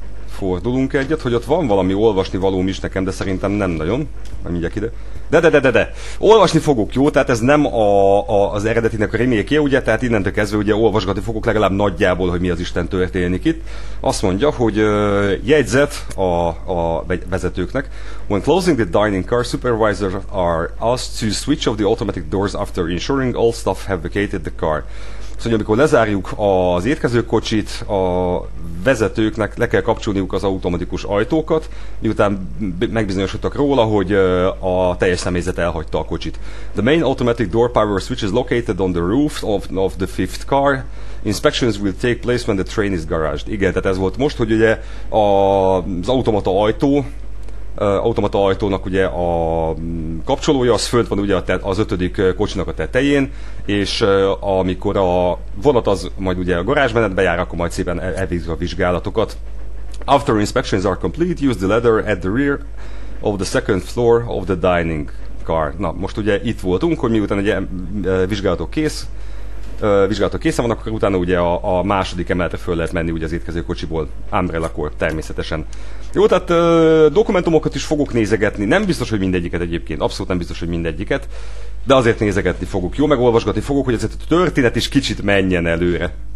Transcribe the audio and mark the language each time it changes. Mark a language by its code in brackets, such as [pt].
[hu] Fordulunk egyet, hogy ott van valami olvasni valóm is nekem, de szerintem nem nagyon. Majd mindjárt ide. De. Olvasni fogok, jó? Tehát ez nem az eredetinek a remake-je, ugye? Tehát innentől kezdve ugye olvasgatni fogok legalább nagyjából, hogy mi az Isten történik itt. Azt mondja, hogy jegyzet a vezetőknek. [en] When closing the dining car, supervisors are asked to switch off the automatic doors after ensuring all staff have vacated the car. [hu] Szóval, amikor lezárjuk az étkezőkocsit, a vezetőknek le kell kapcsolniuk az automatikus ajtókat, miután megbizonyosodtak róla, hogy a teljes személyzet elhagyta a kocsit. [en] The main automatic door power switch is located on the roof of the fifth car. Inspections will take place when the train is garaged. [hu] Igen, tehát ez volt most, hogy ugye az automata ajtó automata ajtónak ugye a kapcsolója, az fönt van ugye az ötödik kocsinak a tetején, és amikor a vonat az majd ugye a garázsmenetbe jár, akkor majd szépen elvégzik a vizsgálatokat. [en] After inspections are complete, use the ladder at the rear of the second floor of the dining car. [hu] Na, most ugye itt voltunk, hogy miután ugye vizsgálatok készen vannak, akkor utána ugye a második emeletre föl lehet menni ugye az étkező kocsiból, Umbrella-kor természetesen. Jó, tehát dokumentumokat is fogok nézegetni, nem biztos, hogy mindegyiket egyébként, abszolút nem biztos, hogy mindegyiket, de azért nézegetni fogok, jó, megolvasgatni fogok, hogy ezért a történet is kicsit menjen előre.